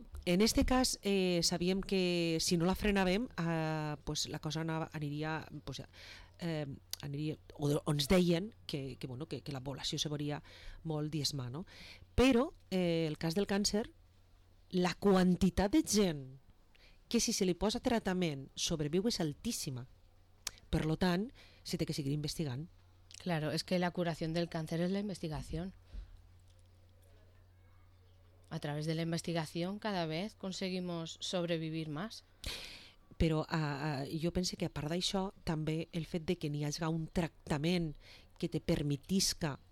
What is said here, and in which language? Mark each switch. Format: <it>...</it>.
<ca>En este cas, sabíem que si no la frenàvem, pues la cosa aniria... Pues, aniria o ens deien que, bueno, que la població se veuria molt diezma, no? Però el cas del càncer, la quantitat de gent que si se li posa tractament sobreviu és altíssima. Per lo tant, se té que seguir investigant.</ca> <es>Claro, es que la curación del cáncer es la investigación. A través de la investigación cada vez conseguimos sobrevivir más.</es> <ca>Però jo pense que a part d'això, també el fet de que n'hi hagi un tractament que te permetisca</ca>